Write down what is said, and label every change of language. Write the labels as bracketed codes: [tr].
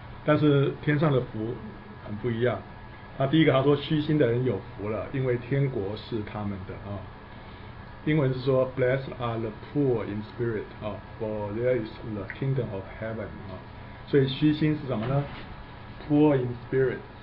[zh] 但是天上的福很不一样。他第一个他说，虚心的人有福了，因为天国是他们的啊。英文是说 [en] ，Blessed are the poor in spirit 啊 ，for there is the kingdom of heaven 啊。 [zh] 所以虚心是什么呢 ？ [en] Poor in spirit。